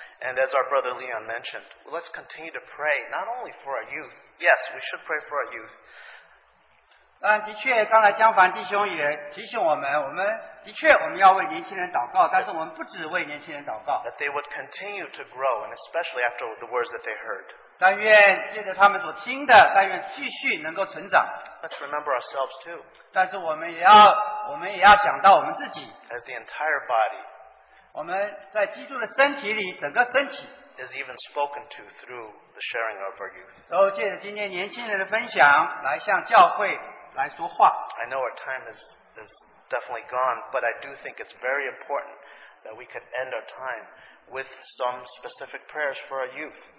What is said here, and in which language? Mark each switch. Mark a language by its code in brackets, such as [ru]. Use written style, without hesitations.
[en] and as our brother Leon mentioned, let's continue to pray not only for our youth. Yes, we should pray for our youth. [zh] 的确，刚才江凡弟兄也提醒我们，我们的确我们要为年轻人祷告，但是我们不只为年轻人祷告。 [en] That they would continue to grow, and especially after the words that they heard. [zh] 但愿借着他们所听的，但愿继续能够成长。 [en] Let's remember ourselves too. [zh] 但是我们也要想到我们自己。 [en] As the entire body. [zh] 我们在基督的身体里，整个身体。 [en] Is even spoken to through the sharing of our youth. [zh] 都借着今天年轻人的分享来向教会。 [en] I know our time is definitely gone, but I do think it's very important that we could end our time with some specific prayers for our youth.